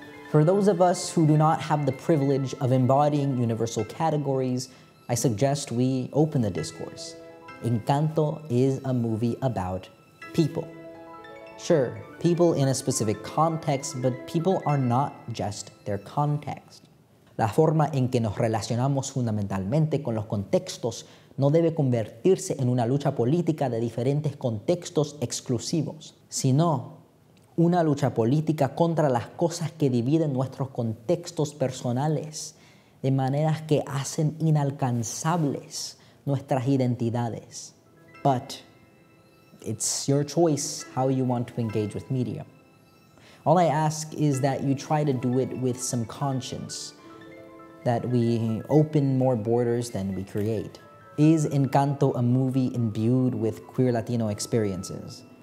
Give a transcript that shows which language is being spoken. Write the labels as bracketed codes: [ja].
[en] For those of us who do not have the privilege of embodying universal categories, I suggest we open the discourse. Encanto is a movie about people. Sure, people in a specific context, but people are not just their context. [es] La forma en que nos relacionamos fundamentalmente con los contextos no debe convertirse en una lucha política de diferentes contextos exclusivos, sino una lucha política contra las cosas que dividen nuestros contextos personales de maneras que hacen inalcanzables nuestras identidades. [en] But it's your choice how you want to engage with media. All I ask is that you try to do it with some conscience, that we open more borders than we create. Is Encanto a movie imbued with queer Latino experiences?